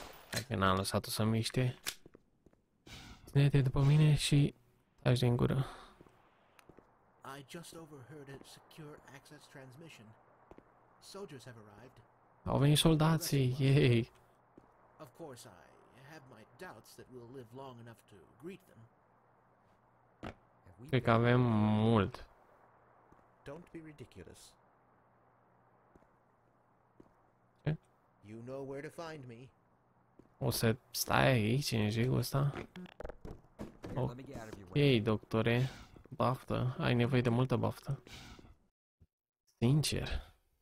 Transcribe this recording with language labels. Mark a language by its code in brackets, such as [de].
[ro] Dacă n-am lăsat-o să miște. Ține-te după mine și taci din gură. [en] I just overheard a secure access transmission. Soldiers have arrived. [ro] Au venit soldații, yay! [en] Of course, I have my doubts that we'll live long enough to greet them. [ro] Cred că avem mult. [en] Don't be ridiculous. [ro] Ce? [en] You know where to find me. [ro] O să stai aici, în jigul ăsta? Ei, doctore. Baftă, ai nevoie de multă baftă. Sincer.